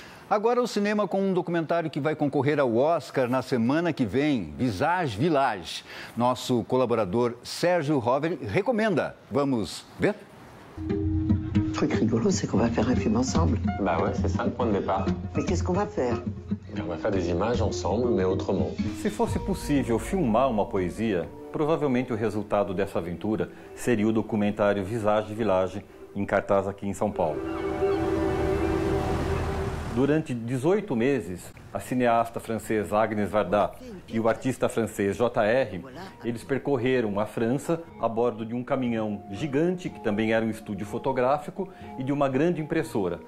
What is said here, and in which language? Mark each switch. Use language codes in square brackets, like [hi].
[pt] Agora o cinema com um documentário que vai concorrer ao Oscar na semana que vem, Visage Village. Nosso colaborador Sérgio Rover recomenda. Vamos ver? [fr] O truc rigolo, c'est qu'on va faire un film ensemble. Bah ouais, c'est ça le point de départ. Mais qu'est-ce qu'on va faire? On va faire des images ensemble, mais autrement. [pt] Se fosse possível filmar uma poesia, provavelmente o resultado dessa aventura seria o documentário Visage Village, em cartaz aqui em São Paulo. Durante 18 meses, a cineasta francesa Agnès Varda e o artista francês J.R., eles percorreram a França a bordo de um caminhão gigante, que também era um estúdio fotográfico, e de uma grande impressora.